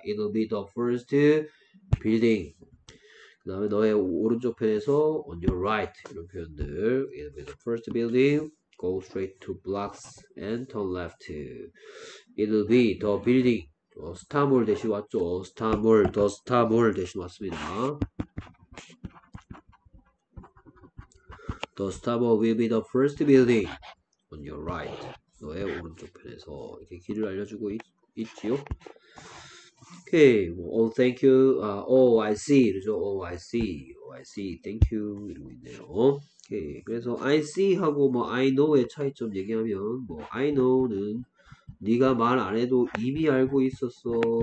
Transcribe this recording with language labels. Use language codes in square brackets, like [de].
[en] It'll be the first building. [ko] 그 다음에 너의 오른쪽 편에서 [en] on your right. [ko] 이런 표현들. [en] It'll be the first building. Go straight to blocks and turn left. It'll be the building. [ko] 스타몰 대신 왔죠. 스타몰, 더 스타몰 대신 왔습니다. [en] The stammer will be the first building on your right. [ko] 너의 오른쪽 편에서 이렇게 길을 알려주고 있지요. [en] Okay. Oh, thank you. Oh, I see. [ko] 이러죠. [en] Oh, I see. Oh, I see. Thank you. [ko] 이러고 있네요. [en] Okay. [ko] 그래서 [en] I see [ko] 하고 뭐 [en] I know [ko] 의 차이점 얘기하면 뭐 I know는 네가 말안 해도 이미 알고 있었어.